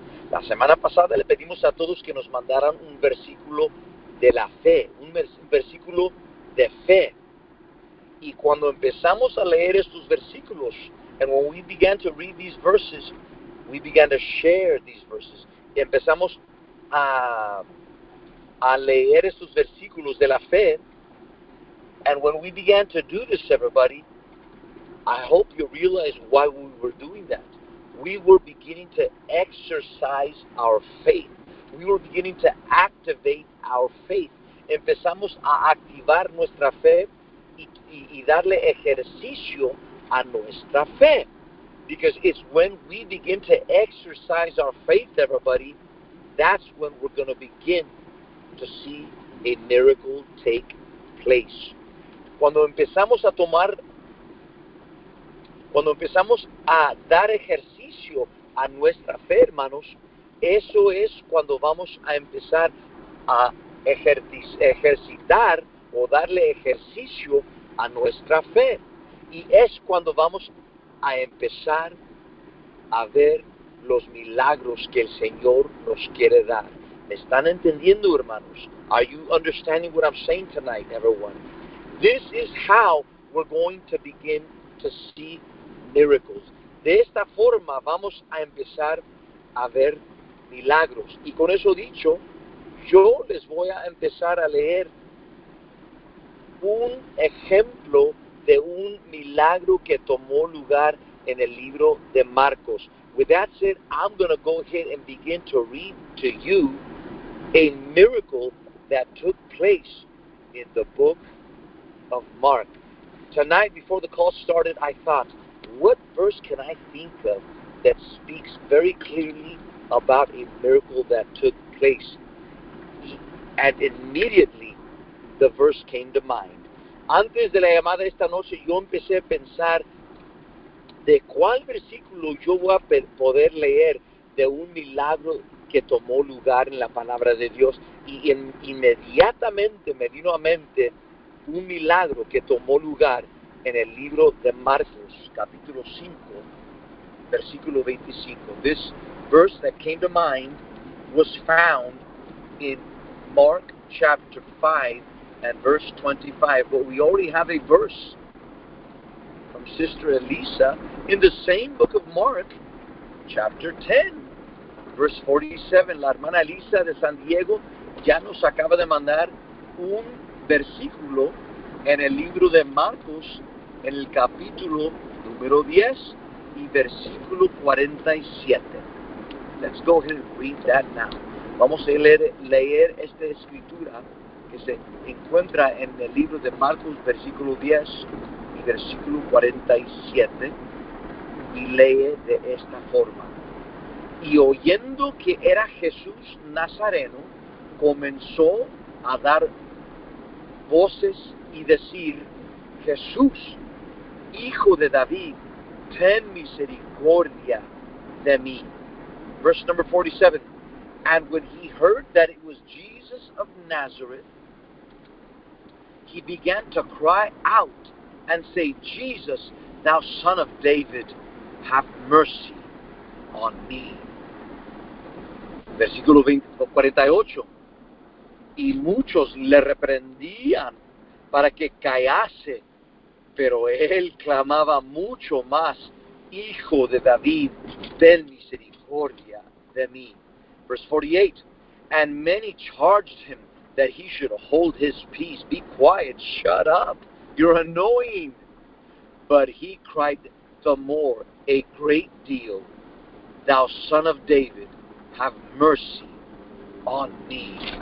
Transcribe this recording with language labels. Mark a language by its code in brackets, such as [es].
[es] La semana pasada le pedimos a todos que nos mandaran un versículo de la fe, un versículo de fe. Y cuando empezamos a leer estos versículos, [en] and when we began to read these verses, we began to share these verses. [es] Y empezamos a leer estos versículos de la fe. [en] And when we began to do this, everybody, I hope you realize why we were doing that. We were beginning to exercise our faith. We were beginning to activate our faith. [es] Empezamos a activar nuestra fe y darle ejercicio a nuestra fe. [en] Because it's when we begin to exercise our faith, everybody, that's when we're going to begin to see a miracle take place. [es] Cuando empezamos a dar ejercicio a nuestra fe, hermanos, eso es cuando vamos a empezar a ejercitar o darle ejercicio a nuestra fe. Y es cuando vamos a empezar a ver los milagros que el Señor nos quiere dar. ¿Me están entendiendo, hermanos? [en] Are you understanding what I'm saying tonight, everyone? This is how we're going to begin to see miracles. [es] De esta forma vamos a empezar a ver milagros. Y con eso dicho, yo les voy a empezar a leer un ejemplo de un milagro que tomó lugar en el libro de Marcos. [en] With that said, I'm going to go ahead and begin to read to you a miracle that took place in the book of Mark. Tonight, before the call started, I thought, what verse can I think of that speaks very clearly about a miracle that took place? And immediately, the verse came to mind. [es] Antes de la llamada esta noche, yo empecé a pensar de cuál versículo yo voy a poder leer de un milagro que tomó lugar en la palabra de Dios. Y inmediatamente me vino a mente un milagro que tomó lugar en el libro de Marcos, capítulo 5, versículo 25. [en] This verse that came to mind was found in Mark chapter 5 and verse 25. But we already have a verse from Sister Elisa in the same book of Mark, chapter 10, verse 47. [es] La hermana Elisa de San Diego ya nos acaba de mandar un versículo en el libro de Marcos, en el capítulo número 10 y versículo 47. [en] Let's go ahead and read that now. [es] Vamos a leer esta escritura que se encuentra en el libro de Marcos, versículo 10 y versículo 47, y lee de esta forma. Y oyendo que era Jesús Nazareno, comenzó a dar voces y decir: Jesús, Hijo de David, ten misericordia de mí. [en] Verse number 47. And when he heard that it was Jesus of Nazareth, he began to cry out and say, Jesus, thou son of David, have mercy on me. [es] Versículo 48. Y muchos le reprendían para que callase, pero él clamaba mucho más, Hijo de David, ten misericordia de mí. [en] Verse 48. And many charged him that he should hold his peace. Be quiet, shut up, you're annoying. But he cried the more, a great deal, thou son of David, have mercy on me.